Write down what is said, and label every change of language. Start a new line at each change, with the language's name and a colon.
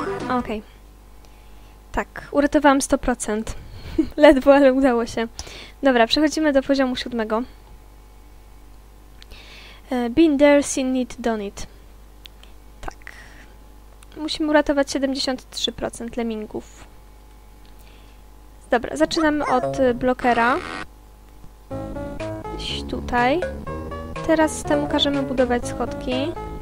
Polish: Ok. Tak, uratowałam 100%. Ledwo, ale udało się. Dobra, przechodzimy do poziomu siódmego.
English: Been there, seen it, done it.
Polish: Tak. Musimy uratować 73% lemmingów. Dobra, zaczynamy od blokera. Gdzieś tutaj. Teraz temu każemy budować schodki.